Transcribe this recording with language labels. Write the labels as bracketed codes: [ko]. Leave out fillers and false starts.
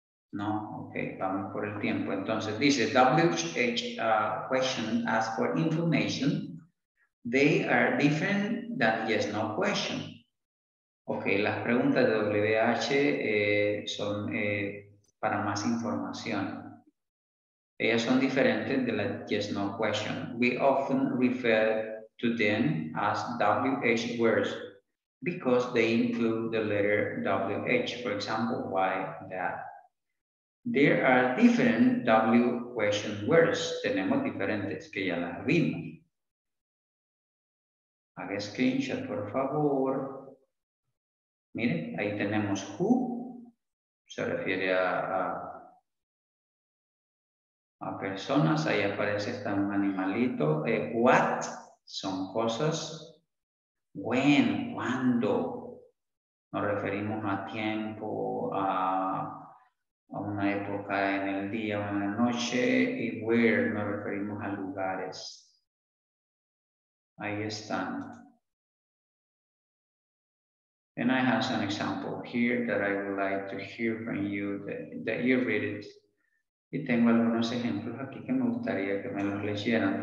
[es] No, okay, vamos por el tiempo. Entonces, dice, [en] WH question asks for information. They are different than yes, no question. [es] Ok, las preguntas de WH son para más información. Ellas son diferentes de la [en] yes, no question. We often refer to them as WH words because they include the letter WH. For example, why that? There are different W question words. [es] Tenemos diferentes que ya las vimos. Haga screenshot, por favor. Miren, ahí tenemos who, se refiere a personas, ahí aparece está un animalito. What, son cosas. When, cuando, nos referimos a tiempo, a una época en el día o en la noche. Y where, nos referimos a lugares. Ahí están. [en] And I have an example here that I would like to hear from you, that you read it. [es] Y tengo algunos ejemplos aquí que me gustaría que me los leyeran.